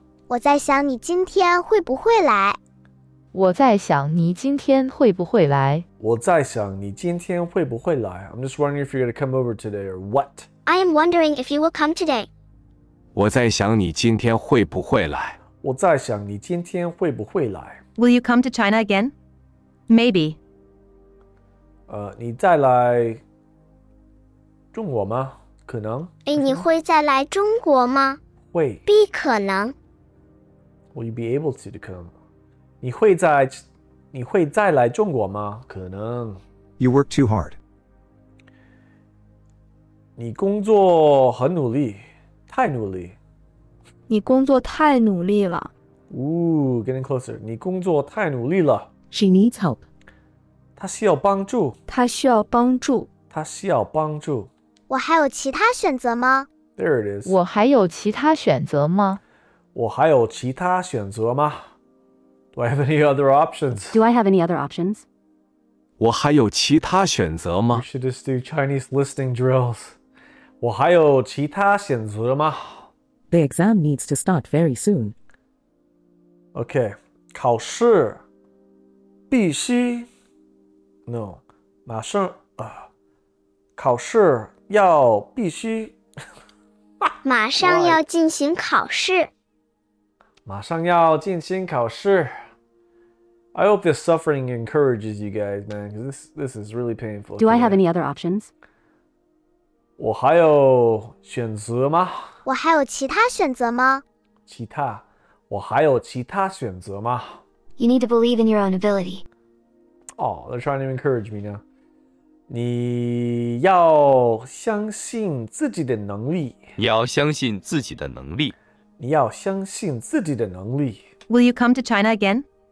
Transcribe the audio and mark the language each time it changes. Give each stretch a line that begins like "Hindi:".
Chinese: 我在想你今天会不会来。我在想你今天会不会来。我在想你今天会不会来。
English: I'm just wondering if you're going to come over today or what. I am wondering if you will come today.
Chinese: 我在想你今天会不会来。我在想你今天会不会来。
English: Will you come to China again? Maybe.
Chinese: 你再来。中国吗？可能。哎，你会再来中国吗？会。必可能。
English: Will you be able to come?
Chinese: 你会再来中国吗？可能。
English: You work too hard.
Chinese: 你工作很努力，太努力。你工作太努力了。
English: Ooh, getting closer.
Chinese: 你工作太努力了。
English: She needs help.
Chinese: 她需要帮助。她需要帮助。她需要帮助。我还有其他选择吗？
English: There it is.
Chinese: 我还有其他选择吗？我还有其他选择吗？
English: Do I have any other options? Do I have any other options?
Chinese: 我还有其他选择吗？
English: We should just do Chinese listening drills.
Chinese: 我还有其他选择吗？
English: The exam needs to start very soon. Okay,
Chinese: 考试必须
English: No,
Chinese: 马上、考试要必须马上要进行考试。马上要进行考试。
English: I hope this suffering encourages you guys, man, because this is really painful. Do I have any other options?
Chinese: 我还有选择吗？我还有其他选择吗？其他，我还有其他选择吗？
English: You need to believe in your own ability. Oh, they're trying to encourage me now.
Chinese: 你要相信自己的能力。你要相信自己的能力。你要相信自己的能力。
English: Will you come to China again?